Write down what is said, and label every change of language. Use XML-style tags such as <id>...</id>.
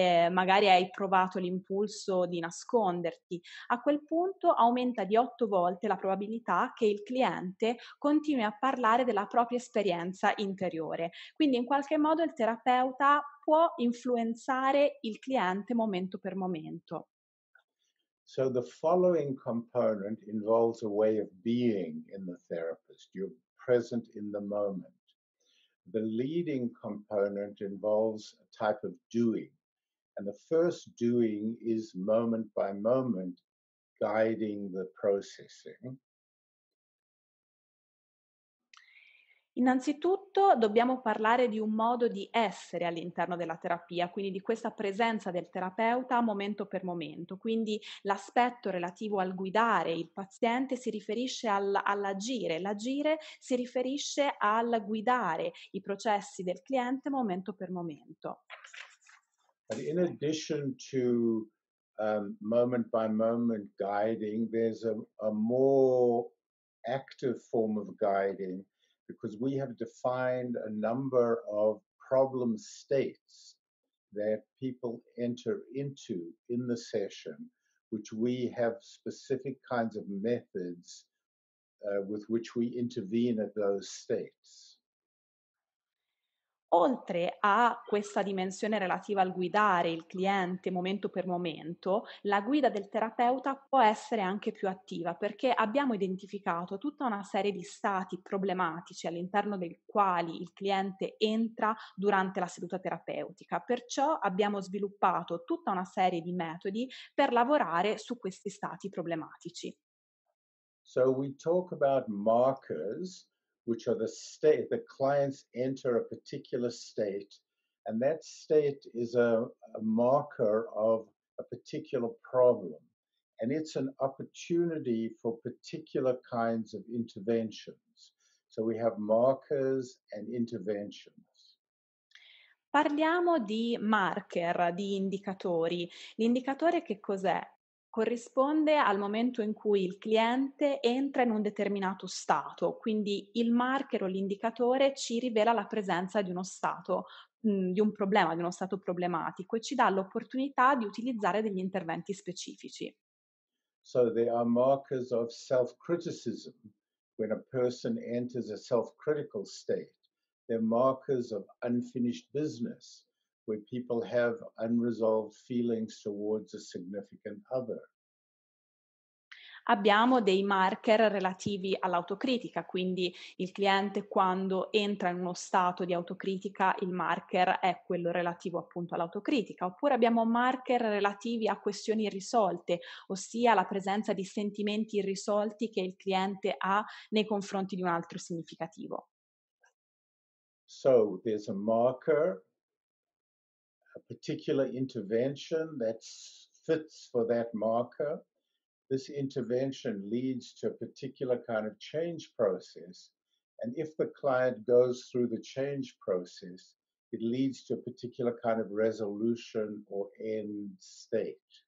<it>magari hai provato l'impulso di nasconderti, a quel punto aumenta di 8 volte la probabilità che il cliente continui a parlare della propria esperienza interiore. Quindi in qualche modo il terapeuta può influenzare il cliente momento per momento.</it> <en>So the following component involves a way of being in the therapist. You're present in the moment. The leading component involves a type of doing. And the first doing is moment by moment guiding the processing.</en> <it>Innanzitutto dobbiamo parlare di un modo di essere all'interno della terapia, quindi di questa presenza del terapeuta momento per momento. Quindi l'aspetto relativo al guidare il paziente si riferisce all'agire, l'agire si riferisce al guidare i processi del cliente momento per momento.</it> <en>But in addition to moment by moment guiding, there's a more active form of guiding, because we have defined a number of problem states that people enter into in the session, which we have specific kinds of methods with which we intervene at those states.</en> <it>Oltre a questa dimensione relativa al guidare il cliente momento per momento, la guida del terapeuta può essere anche più attiva, perché abbiamo identificato tutta una serie di stati problematici all'interno dei quali il cliente entra durante la seduta terapeutica. Perciò abbiamo sviluppato tutta una serie di metodi per lavorare su questi stati problematici.</it> <en>So we talk about markers, which are the state the clients enter a particular state, and that state is a marker of a particular problem, and it's an opportunity for particular kinds of interventions. So we have markers and interventions.</en> <it>Parliamo di marker, di indicatori. L'indicatore che cos'è? Corrisponde al momento in cui il cliente entra in un determinato stato, quindi il marker o l'indicatore ci rivela la presenza di uno stato, di un problema, di uno stato problematico, e ci dà l'opportunità di utilizzare degli interventi specifici.</it> <en>So there are markers of self-criticism. When a person enters a self-critical state, there are markers of unfinished business, where people have unresolved feelings towards a significant other.</en> <it>Abbiamo dei marker relativi all'autocritica, quindi il cliente quando entra in uno stato di autocritica, il marker è quello relativo appunto all'autocritica. Oppure abbiamo marker relativi a questioni irrisolte, ossia la presenza di sentimenti irrisolti che il cliente ha nei confronti di un altro significativo.</it> <en>So there's a marker, a particular intervention that fits for that marker. This intervention leads to a particular kind of change process. And if the client goes through the change process, it leads to a particular kind of resolution or end state.</en>